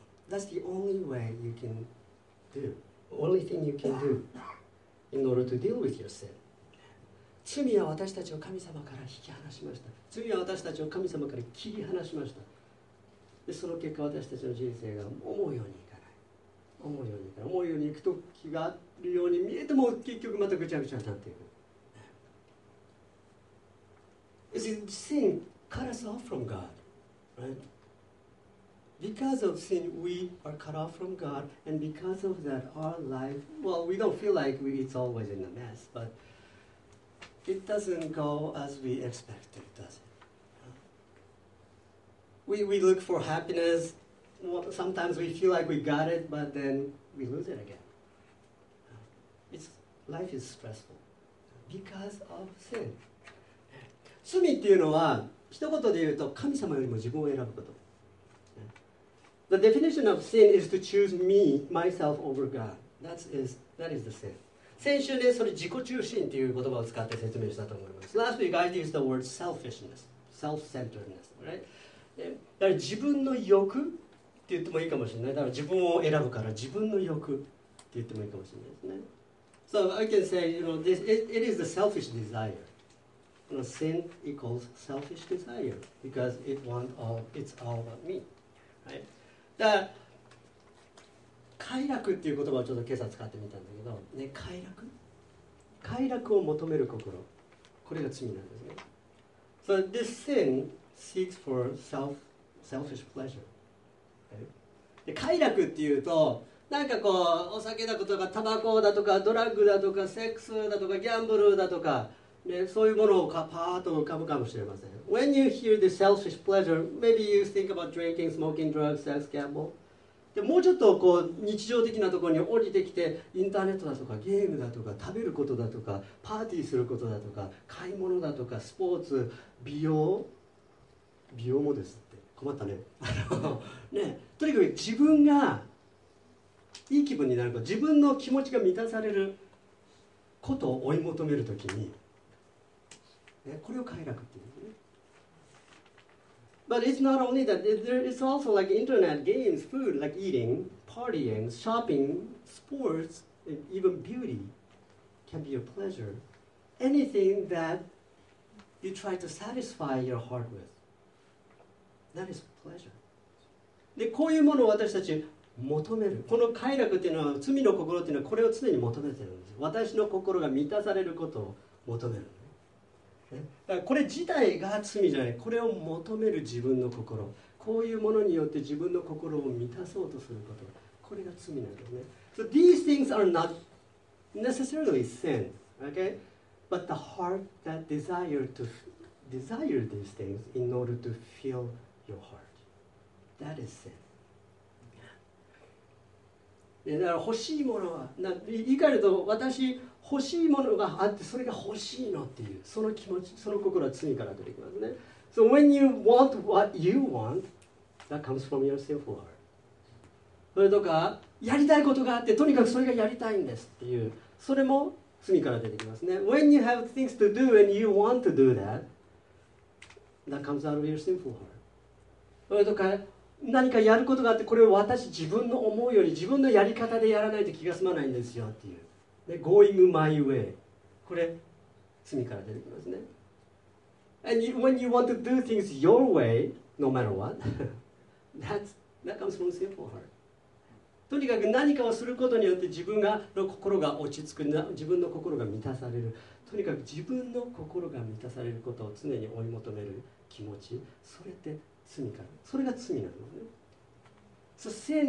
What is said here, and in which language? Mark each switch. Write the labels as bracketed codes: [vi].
[en] That's the only way you can do, only thing you can do in order to deal with your sin. [ja] 罪は私たちを神様から引き離しました。罪は私たちを神様から切り離しました。で、その結果私たちの人生が思うようにいかない。思うようにいく時があるように見えても、結局またぐちゃぐちゃになっていく。 [en] Sin cut us off from God, right? Because of sin, we are cut off from God, and because of that, our life, well, we don't feel like it's always in a mess, but it doesn't go as we expected, does it? We look for happiness. Well, sometimes we feel like we got it, but then we lose it again. Life is stressful because of sin. [ja] 罪っていうのは、一言で言うと、神様よりも自分を選ぶこと。 [en] The definition of sin is to choose me, myself, over God. That is the sin. [ja] 先週ね、それ自己中心という言葉を使って説明したと思います。 [en] Last week I used the word selfishness, self-centeredness, right? [ja] だから自分の欲って言ってもいいかもしれない。だから自分を選ぶから自分の欲って言ってもいいかもしれないですね。 [en] So I can say, you know, this, it is the selfish desire. You know, sin equals selfish desire because it wants all, it's all about me. Right? [ja] だから快楽っていう言葉をちょっと今朝使ってみたんだけど、ね、快楽、快楽を求める心、これが罪なんですね。 [en] So this sin seeks for selfish pleasure. [ja] で快楽っていうと、なんかこうお酒だとかタバコだとかドラッグだとかセックスだとかギャンブルだとか、ね、そういうものをパーッと浮かぶかもしれません。 [en] When you hear the selfish pleasure, maybe you think about drinking, smoking, drugs, sex, gamble. [ja] でもうちょっとこう日常的なところに降りてきて、インターネットだとかゲームだとか食べることだとかパーティーすることだとか買い物だとかスポーツ、美容、美容もですって困ったね。ね、とにかく自分がいい気分になること、自分の気持ちが満たされることを追い求めるときに、ね、これを快楽っていうんですね。 [en] But it's not only that, it's also like internet, games, food, like eating, partying, shopping, sports, even beauty can be a pleasure. Anything that you try to satisfy your heart with, that is pleasure. [ja] でこういうものを私たち求める、この快楽っていうのは罪の心っていうのはこれを常に求めてるんです。私の心が満たされることを求める、ね、だからこれ自体が罪じゃない。これを求める自分の心、こういうものによって自分の心を満たそうとすること、これが罪なんですね。 [en] So these things are not necessarily sin, okay? But the heart that desire these things in order to fill your heartThat is sin. [ja] でだから欲しいものは、言い換えると私欲しいものがあって、それが欲しいのっていう、その気持ち、その心は罪から出てきますね。 [en] So when you want what you want, that comes from your sinful heart. [ja] それとかやりたいことがあって、とにかくそれがやりたいんですっていう、それも罪から出てきますね。 [en] When you have things to do and you want to do that, that comes out of your sinful heart. [ja] それとか何かやることがあって、これを私自分の思うように自分のやり方でやらないと気が済まないんですよっていう、で [en] Going my way、 [ja] これ罪から出てきますね。 [en] And you, when you want to do things your way no matter what that comes from sinful heart。 [ja] とにかく何かをすることによって自分がの心が落ち着く、自分の心が満たされる、とにかく自分の心が満たされることを常に追い求める気持ち、それって罪から、それが罪なんですね。